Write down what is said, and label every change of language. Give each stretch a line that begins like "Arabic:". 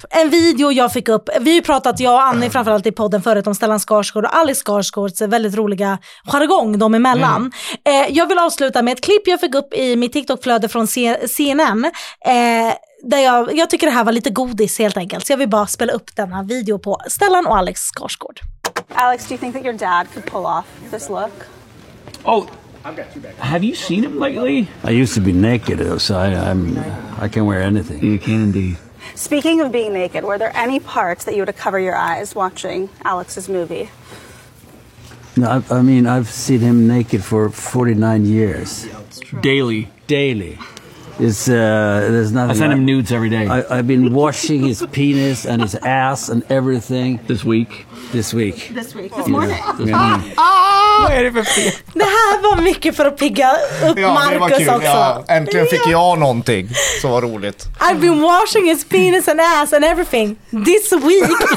Swedish: En video jag fick upp. Vi har ju pratat, jag och Annie framförallt i podden förut, om Stellan Skarsgård och Alice Skarsgårds väldigt roliga jargong de emellan. Mm. Jag vill avsluta med ett klipp jag fick upp i mitt TikTok-flöde från CNN. Där jag tycker det här var lite godis helt enkelt. Så jag vill bara spela upp denna video på Stellan och Alex Skarsgård.
English: Alex, do you think that your dad could pull off this look? Oh, have you seen him lately? I used to be naked, so I can wear anything. You can indeed. Speaking of being naked, were there any parts that you would cover your eyes watching Alex's movie? No, I mean, I've seen him naked for 49 years. Daily. There's nothing. I send him nudes every day. I've been washing his penis and his ass and everything. This week. This morning. Yeah.
Swedish: Det här var mycket för att pigga upp Marcus också. Ja, äntligen fick jag någonting som var roligt.
English: I've been washing his penis and ass and everything this week.